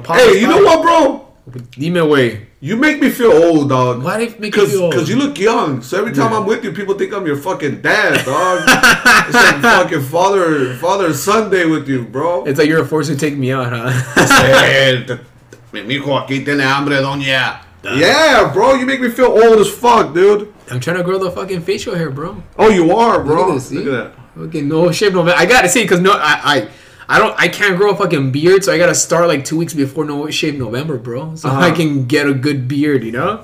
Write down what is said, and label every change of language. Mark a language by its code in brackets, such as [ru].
[en] hey, you know what, bro? [es] Dime, wey. [en] You make me feel old, dog. Why do you make me feel old? Because you look young. So every time I'm with you, people think I'm your fucking dad, dog. It's like fucking father Sunday with you, bro. It's like you're forced to take me out, huh? [es] Mi hijo aquí tiene hambre, doña. [en] Yeah, bro. You make me feel old as fuck, dude. I'm trying to grow the fucking facial hair, bro. Oh, you are, bro. Look at that. Okay, no shape, no man. I got to see, because I can't grow a fucking beard, so I gotta start like 2 weeks before No Shave November, bro. So I can get a good beard, you know?